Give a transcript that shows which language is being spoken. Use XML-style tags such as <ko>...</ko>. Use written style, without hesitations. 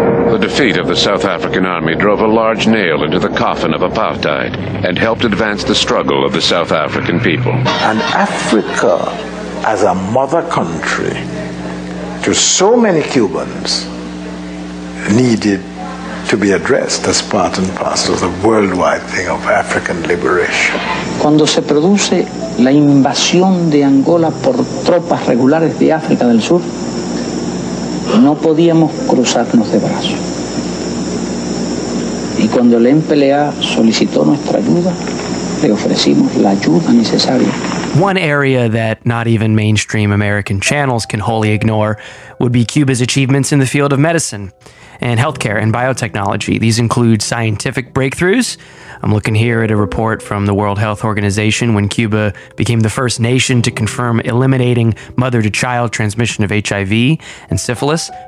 <en>The defeat of the South African army drove a large nail into the coffin of apartheid and helped advance the struggle of the South African people. And Africa, as a mother country, to so many Cubans, needed to be addressed as part and parcel of the worldwide thing of African liberation.</en> <es>Cuando se produce la invasión de Angola por tropas regulares de África del Sur, no podíamos cruzarnos de brazos. Y cuando el MPLA solicitó nuestra ayuda, le ofrecimos la ayuda necesaria.</es> <en>One area that not even mainstream American channels can wholly ignore would be Cuba's achievements in the field of medicine and healthcare and biotechnology. These include scientific breakthroughs. I'm looking here at a report from the World Health Organization when Cuba became the first nation to confirm eliminating mother-to-child transmission of HIV and syphilis.</en>